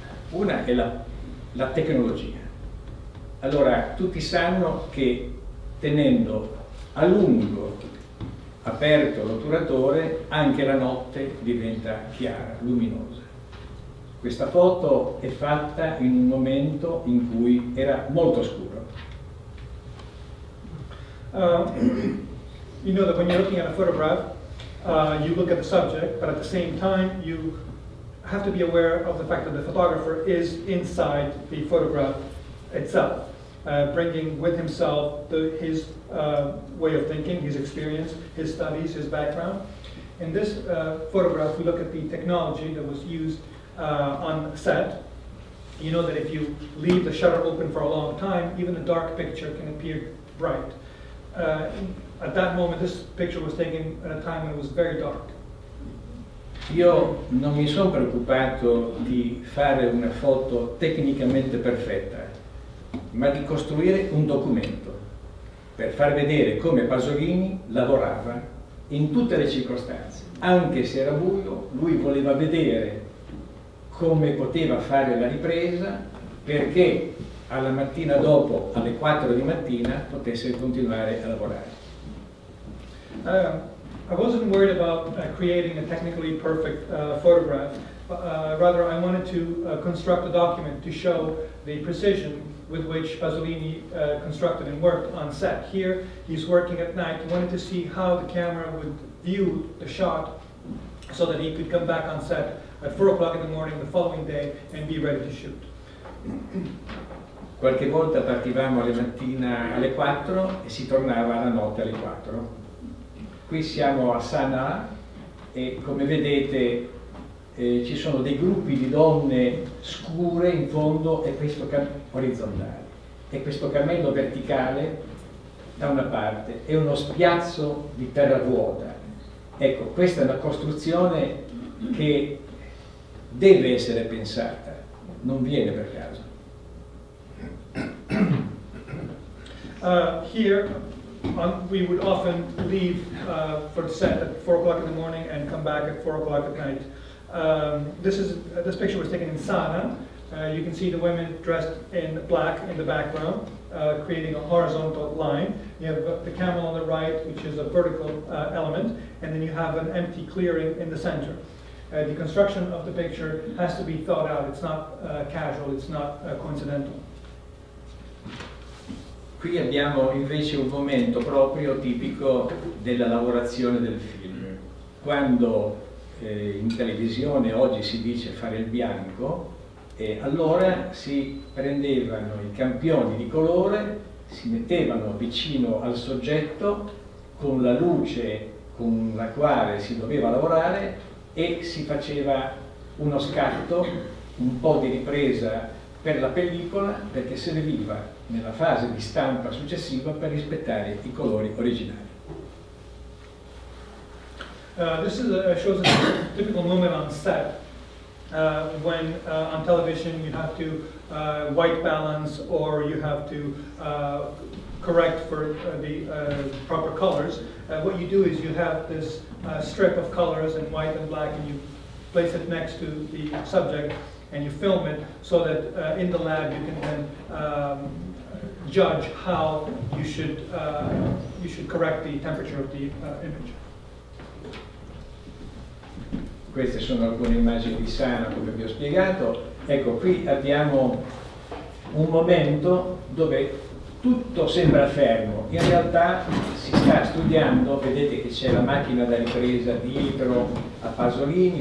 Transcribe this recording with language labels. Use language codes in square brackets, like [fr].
[it] Una è la tecnologia. Allora, tutti sanno che tenendo a lungo aperto l'otturatore, anche la notte diventa chiara, luminosa. Questa foto è fatta in un momento in cui era molto scuro. [en] You know that when you're looking at a photograph, you look at the subject, but at the same time, you have to be aware of the fact that the photographer is inside the photograph itself, bringing with himself his way of thinking, his experience, his studies, his background. In this photograph, we look at the technology that was used on set. You know that if you leave the shutter open for a long time, even a dark picture can appear bright. At that moment, this picture was taken at a time when it was very dark. [it] Io non mi sono preoccupato di fare una foto tecnicamente perfetta, ma di costruire un documento per far vedere come Pasolini lavorava in tutte le circostanze. Anche se era buio, lui voleva vedere come poteva fare la ripresa perché alla mattina dopo, alle 4 di mattina, potesse continuare a lavorare. [en] I wasn't worried about creating a technically perfect photograph, but rather I wanted to construct a document to show the precision with which Pasolini constructed and worked on set. Here, he's working at night. He wanted to see how the camera would view the shot so that he could come back on set at 4 o'clock in the morning the following day and be ready to shoot. [it] Qualche volta partivamo alle mattina alle 4 e si tornava la notte alle 4. Qui siamo a Sanaa e come vedete ci sono dei gruppi di donne scure in fondo e questo cammello orizzontale e questo cammello verticale da una parte e uno spiazzo di terra vuota. Ecco, questa è una costruzione che deve essere pensata, non viene per caso. [en] Here. We would often leave for the set at 4 o'clock in the morning and come back at 4 o'clock at night. This picture was taken in Sanaa. You can see the women dressed in black in the background, creating a horizontal line. You have the camel on the right, which is a vertical element, and then you have an empty clearing in the center. The construction of the picture has to be thought out. It's not casual, it's not coincidental. [it] Qui abbiamo invece un momento proprio tipico della lavorazione del film. Quando in televisione oggi si dice fare il bianco, allora si prendevano i campioni di colore, si mettevano vicino al soggetto con la luce con la quale si doveva lavorare e si faceva uno scatto, un po' di ripresa per la pellicola perché serviva nella fase di stampa successiva per rispettare i colori originali. [en] This is shows a typical moment on set when on television you have to white balance or you have to correct for the proper colors. What you do is you have this strip of colors in white and black and you place it next to the subject and you film it so that in the lab you can then judge how you should correct the temperature of the image. [it] Queste sono alcune immagini di Sanaa, come vi ho spiegato. Ecco, qui abbiamo un momento dove tutto sembra fermo. In realtà si sta studiando, vedete che c'è la macchina da ripresa dietro a Pasolini.